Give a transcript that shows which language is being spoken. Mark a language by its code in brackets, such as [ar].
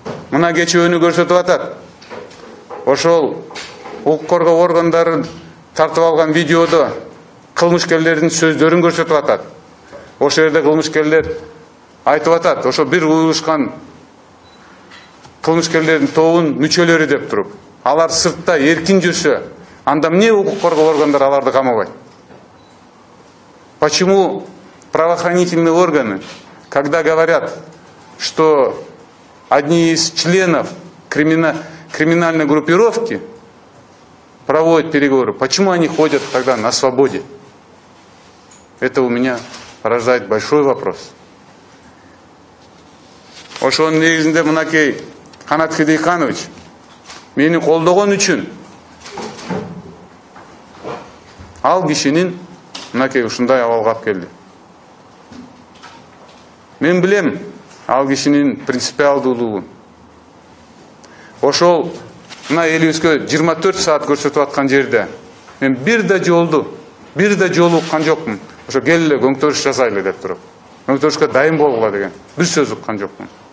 [ky] Мына кечөөнү көрсөтүп атат, ошол укук коргоо органдарын тартып алган видеодо кылмышкерлердин сөздөрүн көрсөтүп атат. Ошол жерде кылмышкерлер айтып атат, ошо бир уюшкан кылмышкерлердин тобунун мүчөлөрү деп туруп, алар сыртта эркин жүрсө, анда эмне укук коргоо органдары аларды камабайт? [ru] Почему правоохранительные органы, когда говорят, что одни из членов криминальной группировки проводят переговоры, почему они ходят тогда на свободе? Это у меня порождает большой вопрос. [ky] Ошонун негизинде мынакей Канат Кыдыйканович, мени колдогон үчүн ал кишинин мынакей ушундай абалга алып келди. Мен билем ал кишинин принципиалдуулугун. Ошол мына элибизге 24 саат көрсөтүп аткан жерде мен бир да жолу уккан жокмун, ошо кел эле көңтөрүш жасайлы деп туруп, көңтөрүшкө дайын болгула деген бир сөз уккан жокмун.